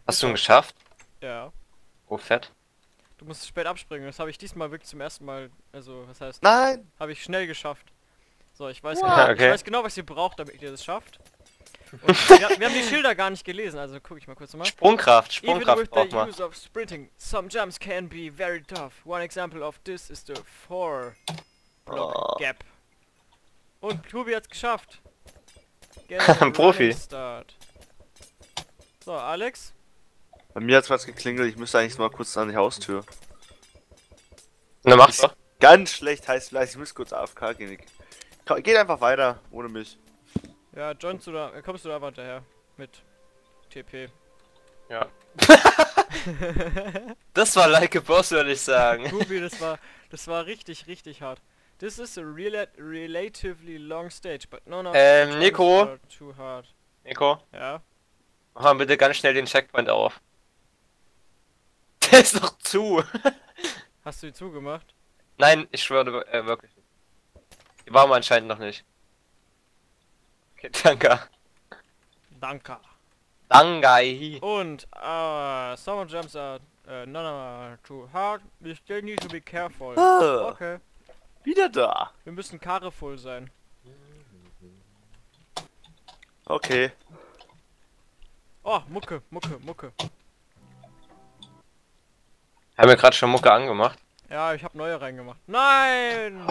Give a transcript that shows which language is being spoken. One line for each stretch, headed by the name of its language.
German: Hast du ihn geschafft? Ja. Oh, fett. Du musst spät abspringen. Das habe ich diesmal wirklich zum ersten Mal. Also, was heißt. Nein! Habe ich schnell geschafft. So, ich weiß, genau, okay. Ich weiß genau, was ihr braucht, damit ihr das schafft. Und wir haben die Schilder gar nicht gelesen, also guck ich mal kurz mal. Sprungkraft braucht man.
English: Even with the use of sprinting, some jumps can be very tough. One example of this is the 4-block gap.
German: Und Tobi hat's geschafft. Profi. So, Alex? Bei mir hat's was geklingelt, ich müsste eigentlich mal kurz an die Haustür. Na, mach's doch. Ganz schlecht heißt vielleicht, ich muss kurz AFK gehen. Geht einfach weiter, ohne mich. Ja, joinst du da, kommst du da einfach daher. Mit TP. Ja. Das war
English: like a boss,
German: würde ich sagen. Tobi, das war richtig, richtig hart.
English: This is a relatively long stage, but no, no.
German: Nico.
English: Too hard.
German: Nico. Ja. Mach mal bitte ganz schnell den Checkpoint auf. Der ist noch zu. Hast du ihn zugemacht? Nein, ich schwöre wirklich. Die waren anscheinend noch nicht. Okay, danke. Danke. Dangai.
English: Und summer jumps are too hard. We still need to be careful. Okay.
German: Wieder da. Wir müssen Karre voll sein. Okay. Oh, Mucke. Haben wir gerade schon Mucke angemacht? Ja, ich habe neue reingemacht. Nein!